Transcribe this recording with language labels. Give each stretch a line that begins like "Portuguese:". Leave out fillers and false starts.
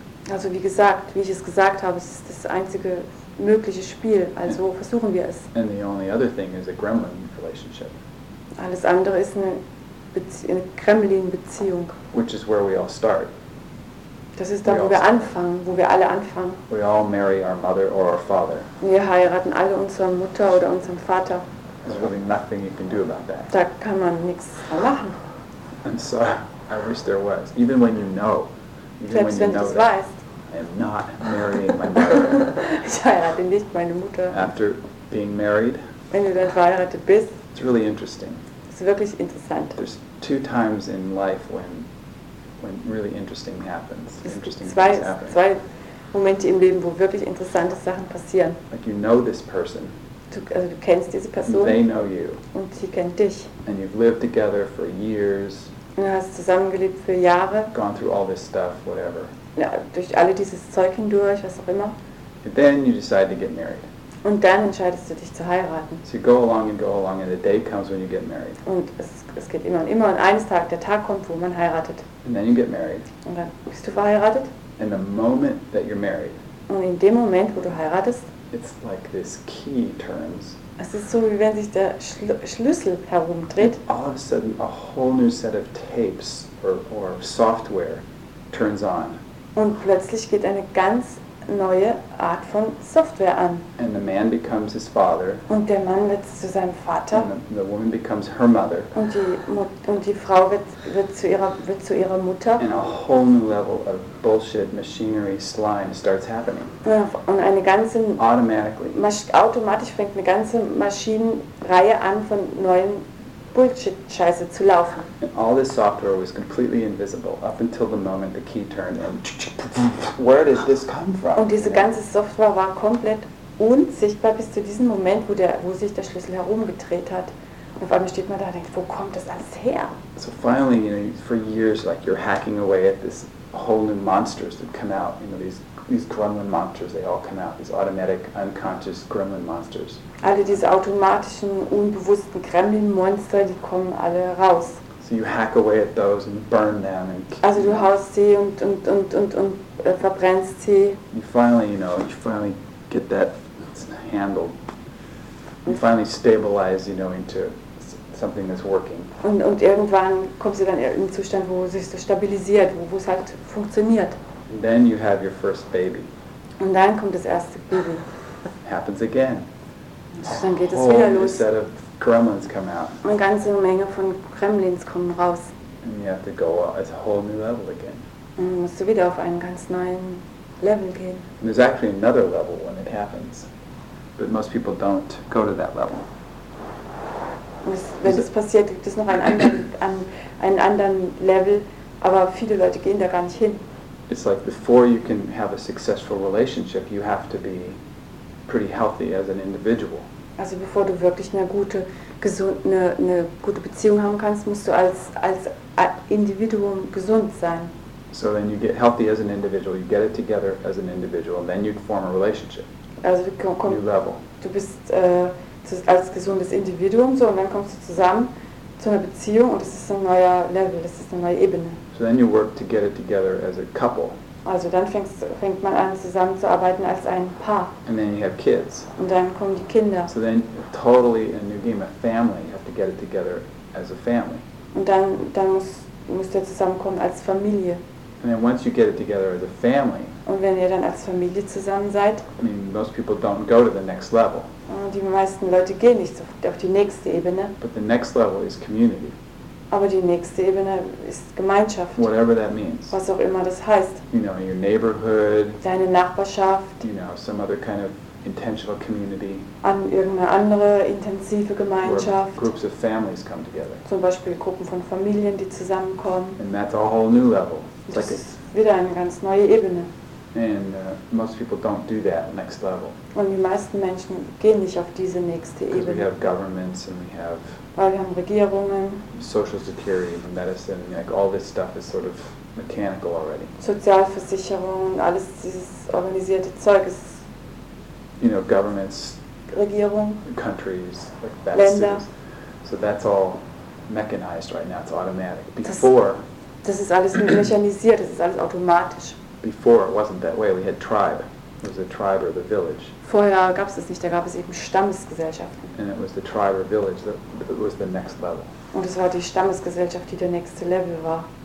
German: Also wie gesagt, wie ich es gesagt habe, es ist das einzige mögliche Spiel, also versuchen wir es.
English: And the only other thing is a gremlin relationship.
German: Alles andere ist eine Gremlin-Beziehung.
English: Which is where we all start.
German: Das ist da, wo wir anfangen, wo wir alle anfangen.
English: We all marry our mother or our father.
German: Wir heiraten alle unsere Mutter oder unseren Vater.
English: There's really nothing you can do about that.
German: Da kann man nichts machen.
English: And so I wish there was, even when you know.
German: Selbst wenn du es weißt.
English: I am not marrying my mother.
German: Ich heirate nicht meine Mutter.
English: After being married.
German: Wenn du dann verheiratet bist.
English: It's really interesting.
German: Es ist wirklich interessant.
English: There's two times in life when really interesting happens.
German: Zwei Momente im Leben, wo wirklich interessante Sachen passieren.
English: Like you know this person.
German: Also du kennst diese Person.
English: They know you.
German: Und sie kennt dich.
English: And you've lived together for years.
German: Und du hast zusammengelebt für Jahre.
English: Gone through all this stuff, whatever.
German: Ja, durch alle dieses Zeug hindurch, was auch immer.
English: And then you decide to get married.
German: Und dann entscheidest du dich zu heiraten.
English: So you go along and go along, and the day comes when you get married.
German: Und es geht immer und immer, und eines Tages der Tag kommt, wo man heiratet.
English: And then you get married.
German: Und dann bist du verheiratet.
English: And the moment that you're married.
German: Und in dem Moment, wo du heiratest.
English: It's like this key turns.
German: Es ist so, wie wenn sich der Schlüssel herumdreht.
English: And all of a sudden, a whole new set of tapes or software turns on.
German: Und plötzlich geht eine ganz neue Art von Software an.
English: And the man becomes his father.
German: Und der Mann wird zu seinem Vater.
English: And the woman becomes her mother.
German: Und die Frau wird zu ihrer Mutter.
English: And a whole new level of bullshit machinery slime starts happening.
German: Und eine ganze automatisch fängt eine ganze Maschinenreihe an von neuen Bullshit-Scheiße zu laufen.
English: And all this software was completely invisible up until the moment the key turned in. Where did this come from?
German: Und diese ganze Software war komplett unsichtbar bis zu diesem Moment, wo sich der Schlüssel herumgedreht hat. Und auf einmal steht man da und denkt, wo kommt das alles her?
English: So finally, you know, for years, like you're hacking away at this whole new monsters that come out. You know, these gremlin monsters, they all come out. These automatic, unconscious gremlin monsters.
German: Alle diese automatischen, unbewussten Gremlin-Monster, die kommen alle raus.
English: So you hack away at those and burn them and kill.
German: Also du haust sie und verbrennst sie.
English: You finally, you know, you finally get that handled. You finally stabilize, you know, into something that's working.
German: Und irgendwann kommst du dann in einen Zustand, wo sich so stabilisiert, wo es halt funktioniert.
English: And then you have your first baby.
German: Und dann kommt das erste Baby.
English: Happens again.
German: Und dann geht es wieder los.
English: A whole set of gremlins come out.
German: Eine ganze Menge von Gremlins kommen raus.
English: And you have to go a whole new level again.
German: Und musst du wieder auf einen ganz neuen Level gehen.
English: And there's actually another level when it happens. But most people don't go to that level.
German: Wenn das passiert, gibt es noch einen anderen Level, aber viele Leute gehen da gar nicht hin.
English: It's like before you can have a successful relationship, you have to be pretty healthy as an individual.
German: Also bevor du wirklich eine gute Beziehung haben kannst, musst du als Individuum gesund sein.
English: So then you get healthy as an individual, you get it together as an individual, and then you form a relationship.
German: Also komm,
English: new level.
German: Du bist als gesundes Individuum so, und dann kommst du zusammen zu einer Beziehung, und das ist ein neuer Level, das ist eine neue Ebene.
English: So then you work to get it together as a couple.
German: Also dann fängt man an zusammenzuarbeiten als ein Paar.
English: And then you have kids.
German: Und dann kommen die Kinder.
English: So then totally a new game, a family. You have to get it together as a family.
German: Und dann müsst ihr zusammenkommen als Familie.
English: And then once you get it together as a family.
German: Und wenn ihr dann als Familie zusammen seid.
English: I mean, most people don't go to the next level.
German: Die meisten Leute gehen nicht auf die nächste Ebene.
English: But the next level is community.
German: Aber die nächste Ebene ist Gemeinschaft.
English: Whatever that means.
German: Was auch immer das heißt.
English: You know, your neighborhood.
German: Deine Nachbarschaft.
English: You know, some other kind of intentional community.
German: An irgendeine andere intensive Gemeinschaft.
English: Where groups of families come together.
German: Zum Beispiel Gruppen von Familien, die zusammenkommen.
English: And that's a whole new level.
German: Das ist wieder eine ganz neue Ebene.
English: And most people don't do that next level.
German: Und die meisten Menschen gehen nicht auf diese nächste Ebene.
English: Because we have governments and we have.
German: Weil wir haben Regierungen.
English: Social security and medicine, like all this stuff is sort of mechanical already.
German: Sozialversicherung, alles dieses organisierte Zeug ist.
English: You know, governments.
German: Regierung.
English: Countries, like that.
German: Länder.
English: So that's all mechanized right now. It's automatic. Before.
German: Das ist alles mechanisiert. Das ist alles automatisch.
English: Before it wasn't that way. We had tribe. It was the tribe or the village.
German: Vorher gab es das nicht. Da gab es eben Stammesgesellschaften.
English: And it was the tribe or village that was the next level.
German: Und es war die Stammesgesellschaft, die der nächste Level war.